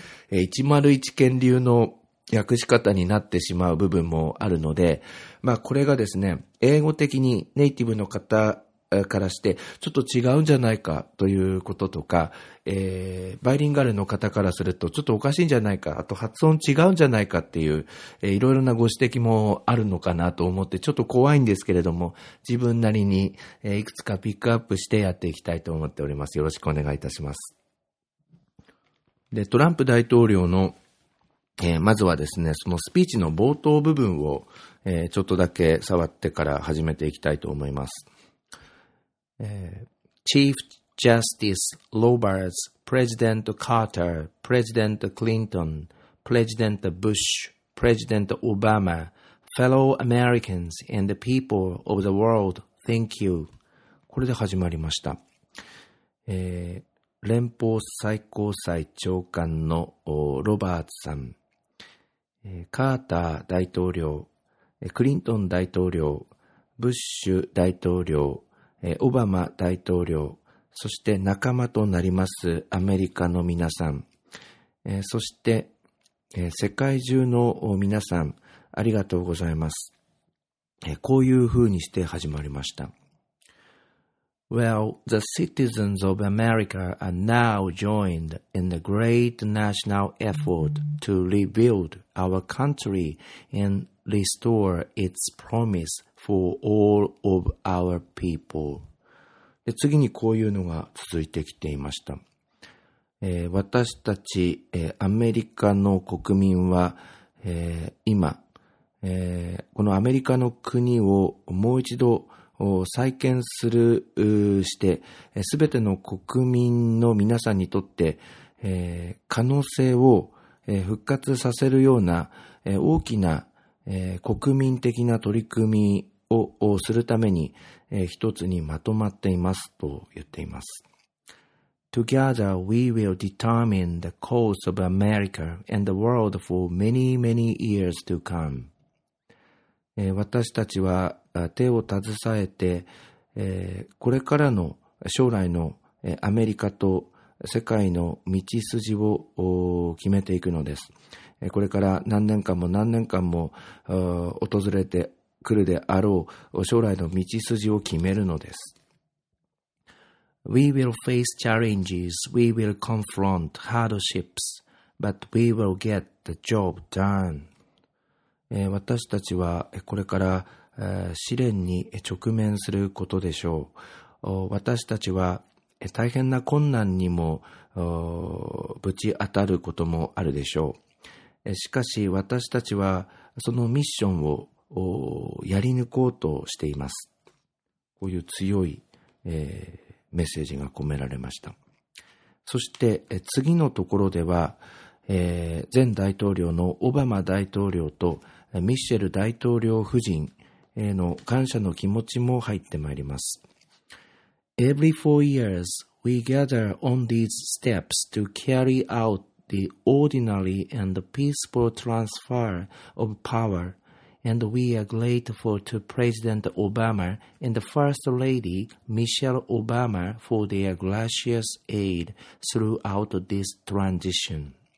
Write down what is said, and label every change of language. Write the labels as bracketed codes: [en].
[ja] 101ケン流の訳し方になってしまう部分もあるので、まあこれがですね、英語的にネイティブの方からしてちょっと違うんじゃないかということとか、バイリンガルの方からするとちょっとおかしいんじゃないか、あと発音違うんじゃないかっていう、いろいろなご指摘もあるのかなと思って、ちょっと怖いんですけれども、自分なりに、いくつかピックアップしてやっていきたいと思っております。よろしくお願いいたします。で、トランプ大統領の、まずはですね、そのスピーチの冒頭部分を、ちょっとだけ触ってから始めていきたいと思います。 [en] Chief Justice Roberts, President Carter, President Clinton, President Bush, President Obama, fellow Americans and the people of the world, thank you. [ja] これで始まりました。連邦最高裁長官のロバーツさん、カーター大統領、クリントン大統領、ブッシュ大統領、オバマ大統領、そして仲間となりますアメリカの皆さん、そして世界中の皆さん、ありがとうございます。こういうふうにして始まりました。 [en] Well, the citizens of America are now joined in the great national effort to rebuild our country and restore its promise for all of our people. [ja] で、次にこういうのが続いてきていました。私たち、アメリカの国民は、今、このアメリカの国をもう一度再建するして、すべての国民の皆さんにとって、可能性を復活させるような、大きな、国民的な取り組みをするために、一つにまとまっていますと言っています。 [en] Together we will determine the course of America and the world for many, many years to come. [ja] 私たちは手を携えて、これからの将来のアメリカと世界の道筋を決めていくのです。これから何年間も何年間も訪れてくるであろう将来の道筋を決めるのです。 [en] We will face challenges, we will confront hardships, but we will get the job done. [ja] 私たちはこれから試練に直面することでしょう。私たちは大変な困難にもぶち当たることもあるでしょう。しかし私たちはそのミッションをやり抜こうとしています。こういう強い、メッセージが込められました。そして次のところでは、前大統領のオバマ大統領とミッシェル大統領夫人への感謝の気持ちも入ってまいります。 [en] Every 4 years, we gather on these steps to carry out the ordinary and peaceful transfer of power, and we are grateful to President Obama and the First Lady Michelle Obama for their gracious aid throughout this transition.